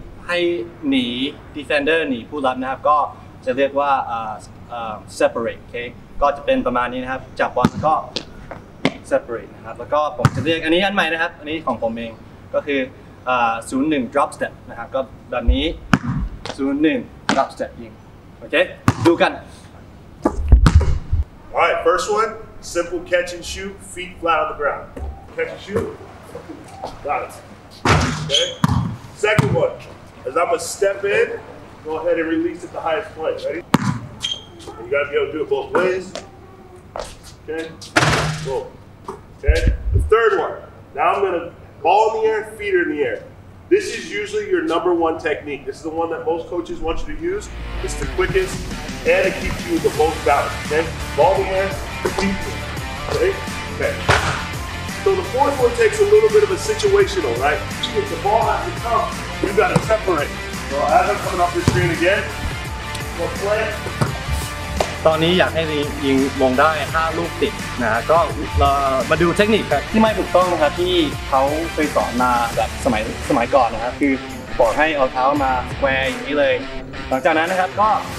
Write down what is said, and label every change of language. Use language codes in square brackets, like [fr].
[th] ให้หนี defender หนีผู้รับนะครับก็จะเรียกว่า separate โอเคก็จะเป็นประมาณนี้นะครับจับบอลก็ separate นะครับแล้วก็ผมจะเรียกอันนี้อันใหม่นะครับอันนี้ของผมเองก็คือ01 drop step นะครับก็แบบนี้01 drop step ยิงโอเคดูกัน [en] All right, first one, simple catch and shoot, feet flat on the ground. Catch and shoot, got it. Okay. Second one, as I'm gonna step in, go ahead and release at the highest point. Ready? You gotta be able to do it both ways. Okay. Cool. Okay. The third one. Now I'm gonna ball in the air, feet are in the air. This is is usually your number one technique. This is the one that most coaches want you to use. It's the quickest, and it keeps you the most balanced, okay? Ball to hand, feet, okay? Okay. So the fourth one takes a little bit of a situational, right? If the ball has to come, you've got to separate. So I have it coming off the screen again. We'll play it. [th] ตอนนี้อยากให้ยิงวงได้5ลูกติดนะก็มาดูเทคนิคครับที่ไม่ถูกต้องนะครับที่เขาเคยสอนมาแบบสมัยก่อนนะครับคือบอกให้เอาเท้ามาสแควร์อย่างนี้เลยหลังจากนั้นนะครับก็